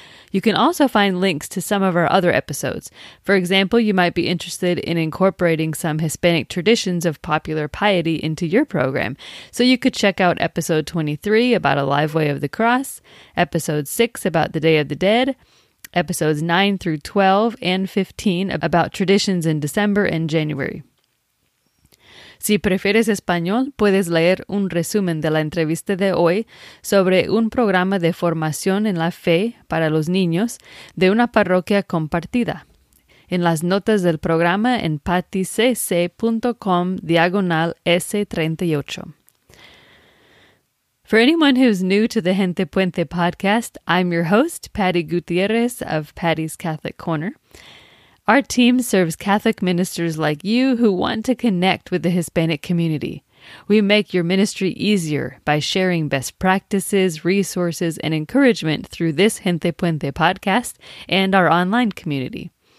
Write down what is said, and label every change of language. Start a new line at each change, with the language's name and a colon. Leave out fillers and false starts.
English: You can also find links to some of our other episodes. For example, you might be interested in incorporating some Hispanic traditions of popular piety into your program. So you could check out episode 23 about a live way of the cross, episode 6 about the Day of the Dead, episodes 9 through 12 and 15 about traditions in December and January.
Spanish: Si prefieres español, puedes leer un resumen de la entrevista de hoy sobre un programa de formación en la fe para los niños de una parroquia compartida en las notas del programa en patticc.com/S38.
English: For anyone who's new to the Gente Puente podcast, I'm your host, Patti Gutierrez of Patti's Catholic Corner. Our team serves Catholic ministers like you who want to connect with the Hispanic community. We make your ministry easier by sharing best practices, resources, and encouragement through this Gente Puente podcast and our online community.